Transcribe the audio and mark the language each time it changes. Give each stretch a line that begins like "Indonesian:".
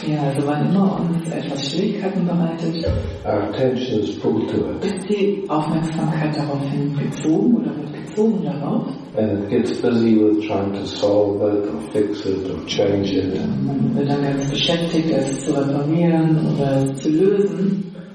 German: ja, also wann immer uns etwas Schwierigkeiten bereitet,
English: our attention is pulled to it.
German: Ist die Aufmerksamkeit daraufhin gezogen oder wird gezogen darauf?
English: And it gets busy with trying to solve it or fix it or change it.
German: Man wird dann ganz beschäftigt, es zu reparieren oder es zu lösen.